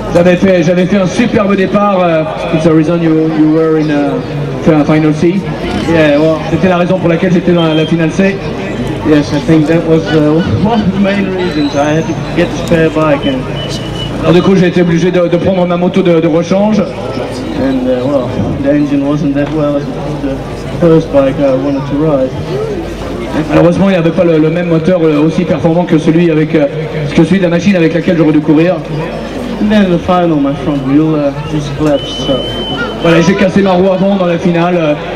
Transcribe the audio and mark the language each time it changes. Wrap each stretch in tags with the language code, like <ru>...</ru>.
<fr>J'avais fait un superbe départ.</fr> <en>It's the reason you were in a final C. Yeah, well,</en> <fr>c'était la raison pour laquelle j'étais dans la finale C.</fr> <en>Yes, I think that was one of the main reasons. I had to get a spare bike. And...</en> <fr>Alors, du coup, j'ai été obligé de prendre ma moto de rechange.</fr> <en>And well, the engine wasn't that well as the first bike I wanted to ride.</en> <fr>Malheureusement, il n'y avait pas le même moteur aussi performant que celui avec que celui de la machine avec laquelle j'aurais dû courir.</fr> <en>Then the final, my front wheel just collapsed. So.</en> <fr>Voilà, j'ai cassé ma roue avant dans la finale</fr>